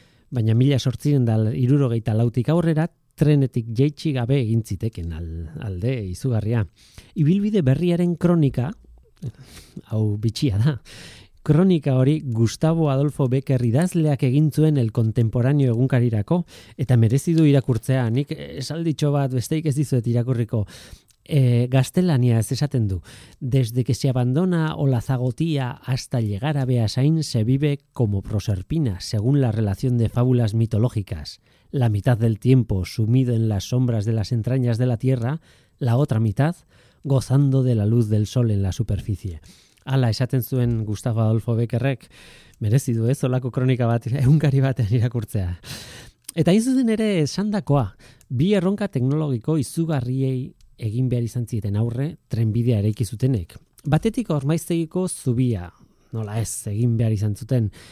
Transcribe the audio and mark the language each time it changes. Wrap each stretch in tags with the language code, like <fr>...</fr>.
<eu>Baina 1864 aurrera trenetik jaitsi gabe egin ziteken alde izugarria. Ibilbide berriaren kronika, hau bitxia da, kronika hori Gustavo Adolfo Becker idazleak egin zuen El Contemporáneo egunkarirako, eta merezi du irakurtzea, nik esalditxo bat besteik ez dizuet irakurriko. Gaztelania ez esaten du,</eu> <es>desde que se abandona Olazagotia hasta llegar a Beasain se vive como Proserpina, según la relación de fábulas mitológicas. La mitad del tiempo sumido en las sombras de las entrañas de la tierra, la otra mitad gozando de la luz del sol en la superficie.</es> <eu>Hala, esaten zuen Gustavo Adolfo Beckerrek, merezi du ez olako kronika bat egunkari batean irakurtzea. Eta izuzen ere esandakoa, bi erronka teknologiko izugarriei egin behar izan ziren aurre trenbidea eraiki zutenek. Batetik Ormaiztegiko zubia, nola ez, egin behar izan zuten.</eu>